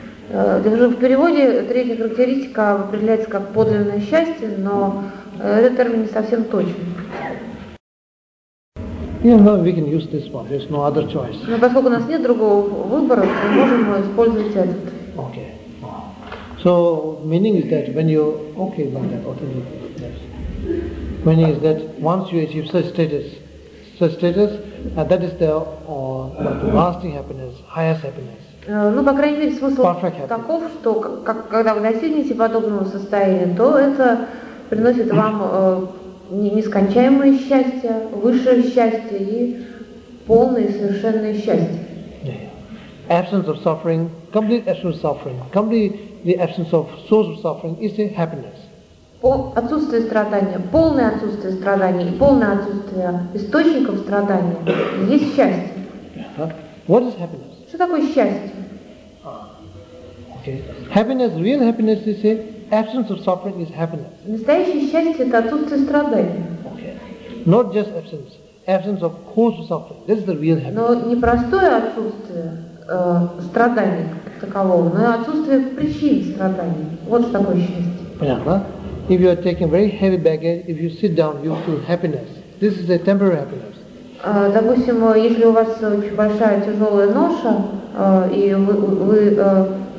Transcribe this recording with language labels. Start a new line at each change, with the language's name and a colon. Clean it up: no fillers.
Russian: Даже в переводе третья характеристика определяется как подлинное счастье, но этот термин не совсем точен.
English: Yeah, no, we can use this one. There's no other choice.
Russian: Но поскольку у нас нет другого выбора, мы можем использовать этот.
English: Okay. So meaning is that when you okay, like that, okay. Meaning is that once you achieve such status, that is the lasting happiness, highest happiness.
Russian: Ну, по крайней мере, смысл таков, что когда вы достигнете подобного состояния, то это приносит вам нескончаемое счастье, высшее счастье и полное совершенное счастье.
English: Yeah. Absence of suffering, complete absence of suffering, completely the absence of source of suffering is the happiness.
Russian: Отсутствие страдания, полное отсутствие страдания и полное отсутствие источников страдания есть счастье.
English: What is happiness?
Russian: Что такое счастье?
English: Okay. Happiness, real happiness is the absence of suffering is happiness.
Russian: Настоящее счастье это отсутствие страдания.
English: Okay. Not just absence of cause of suffering. This is the real happiness.
Russian: Но не простое отсутствие страдания такового, но и отсутствие причин страдания. Вот что такое счастье. Понятно?
English: If you are taking very heavy baggage, if you sit down, you feel happiness. This is a temporary happiness.
Russian: Допустим, если у вас очень большая тяжелая ноша, и вы